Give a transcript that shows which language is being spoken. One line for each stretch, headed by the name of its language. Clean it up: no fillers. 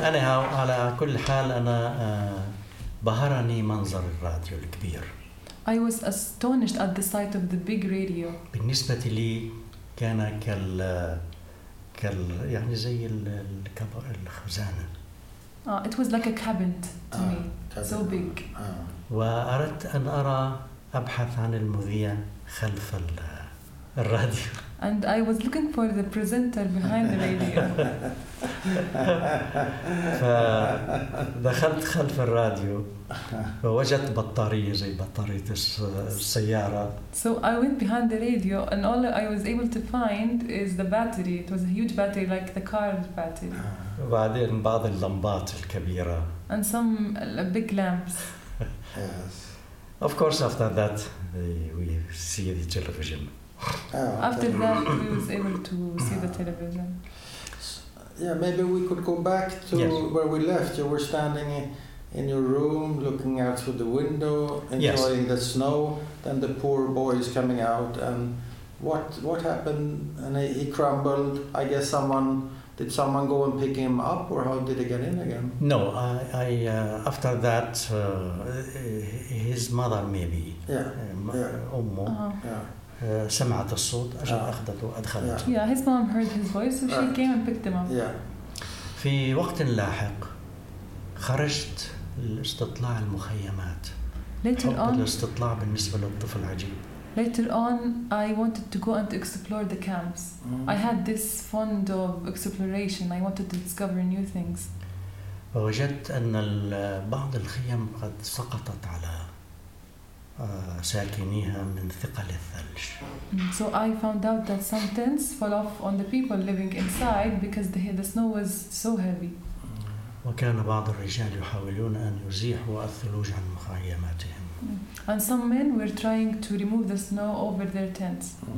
English: Anyhow,
Arabic: على كل حال أنا بهرني منظر الراديو الكبير.
English: I was astonished at the sight of the big radio.
Arabic: بالنسبة لي كان كال يعني زي الخزانة.
English: It was like a cabinet to me, so big.
Arabic: وأردت أن أرى أبحث عن المذيع خلف الراديو.
English: And I was looking for the presenter behind the radio.
Arabic: فدخلت خلف الراديو ووجدت بطارية زي بطارية السيارة.
English: So I went behind the radio and all I was able to find is the battery. It was a huge battery, like the car battery.
Arabic: وبعدين بعض اللمبات الكبيرة.
English: And some big lamps. Yes. Of course, after that, we see the television. After that, he was able to see the television. Yeah, maybe we could go back to where we left. You were standing in your room, looking out through the window, enjoying the snow. Then the poor boy is coming out, and what happened? And he crumbled. I guess someone go and pick him up, or how did he get in again? No, after that, his mother maybe. Yeah. Ummu.
Arabic: سمعت الصوت أخذته أدخلته.
English: Yeah, his mom heard his voice, so she came and picked him up. Yeah.
Arabic: في وقت لاحق خرجت لاستطلاع المخيمات.
English: Later on.
Arabic: الاستطلاع بالنسبة للطفل عجيب.
English: Later on, I wanted to go and explore the camps. Mm-hmm. I had this fond of exploration. I wanted to discover new things.
Arabic: وجدت أن بعض الخيم قد سقطت على ساكنيها من ثقل الثلج.
English: So I found out that some tents fell off on the people living inside because the snow was so heavy.
Arabic: وكان بعض الرجال يحاولون أن يزيحوا الثلوج عن مخيماتهم.
English: And some men were trying to remove the snow over their tents.